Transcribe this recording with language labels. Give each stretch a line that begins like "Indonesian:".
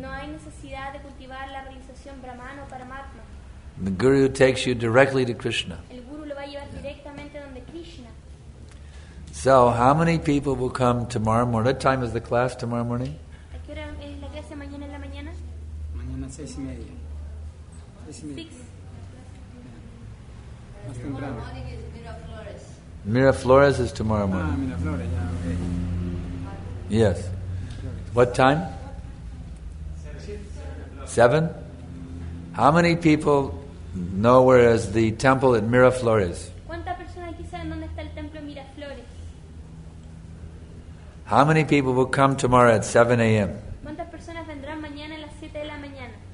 Spanish: No hay necesidad de cultivar la realización Brahman o Paramatma.
English: The Guru takes you directly to Krishna.
Spanish: El Guru lo va a llevar directamente donde Krishna.
English: So, how many people will come tomorrow morning? What time is the class tomorrow morning?
Spanish: ¿A qué hora es la clase mañana en la mañana? Mañana 6:30. 6:30.
English: Tomorrow morning is Miraflores. Miraflores is tomorrow morning. Ah, Miraflores, okay. Yes. What time? 7. How many people know where is the temple at Miraflores?
Spanish: ¿Cuántas personas aquí saben dónde está el templo Miraflores?
English: How many people will come tomorrow at 7 a.m.?
Spanish: ¿Cuántas personas vendrán mañana a las 7 de la mañana?